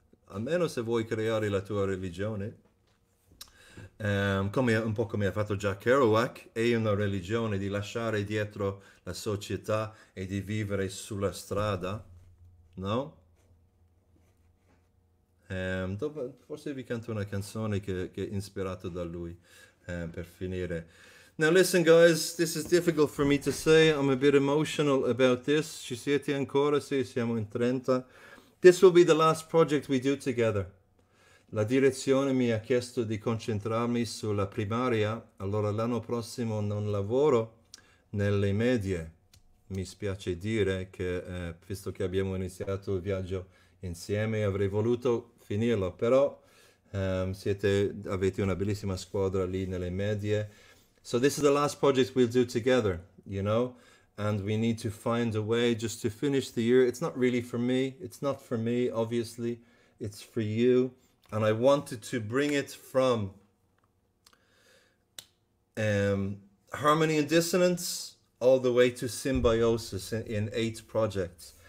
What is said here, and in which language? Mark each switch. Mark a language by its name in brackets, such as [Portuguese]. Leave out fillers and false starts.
[Italian] A meno se vuoi creare la tua religione. Un po' come ha fatto Jack Kerouac, è una religione di lasciare dietro la società e di vivere sulla strada, no? Dopo, forse vi canto una canzone che è ispirata da lui, per finire. [English] Now listen guys, this is difficult for me to say, I'm a bit emotional about this. [Italian] Ci siete ancora? Sì, siamo in 30. [English] This will be the last project we do together. [Italian] La direzione mi ha chiesto di concentrarmi sulla primaria, allora l'anno prossimo non lavoro nelle medie. Mi spiace dire che, visto che abbiamo iniziato il viaggio insieme, avrei voluto finirlo, però avete una bellissima squadra lì nelle medie. [English] So this is the last project we'll do together, you know, and we need to find a way just to finish the year. It's not really for me. It's not for me, obviously. It's for you. And I wanted to bring it from harmony and dissonance all the way to symbiosis in 8 projects.